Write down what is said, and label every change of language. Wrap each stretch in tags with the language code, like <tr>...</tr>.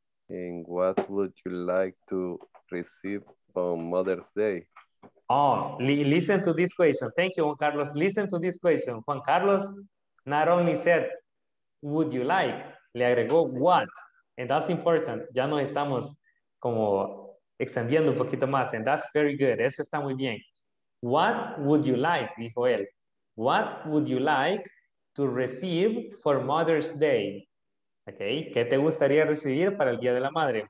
<en>And what would you like to receive on Mother's Day? Oh, listen to this question. Thank you, Juan Carlos. Listen to this question. Juan Carlos not only said, would you like,</en> <es>le agregó</es> <en>what? And that's important.</en> <es>Ya no estamos como extendiendo un poquito más.</es> <en>And that's very good.</en> <es>Eso está muy bien.</es> <en>What would you like,</en> <es>dijo él.</es> <en>What would you like to receive for Mother's Day? Okay.</en> <es>¿Qué te gustaría recibir para el Día de la Madre?</es>